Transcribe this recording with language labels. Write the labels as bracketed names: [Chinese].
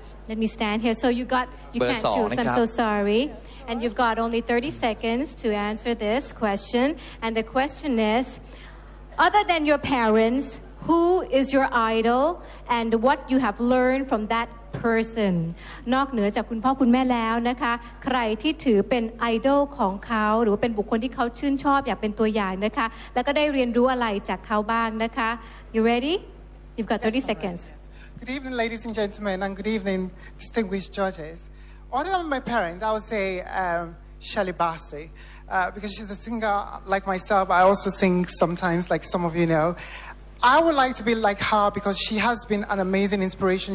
[English] Let me stand here. So you got, you can't choose. I'm so sorry. And you've got only 30 seconds to answer this question. And the question is, other than your parents, who is your idol and what you have learned from that person? [Thai] นอกเหนือจากคุณพ่อคุณแม่แล้วนะคะใครที่ถือเป็นไอดอลของเขาหรือเป็นบุคคลที่เขาชื่นชอบอยากเป็นตัวอย่างนะคะแล้วก็ได้เรียนรู้อะไรจากเขาบ้างนะคะ [English] You ready? You've got 30 seconds. Good evening, ladies and gentlemen, and good evening, distinguished judges. Other than my parents, I would say Shelly Bassey, because she's a singer like myself. I also sing sometimes, like some of you know. I would like to be like her because she has been an amazing inspiration.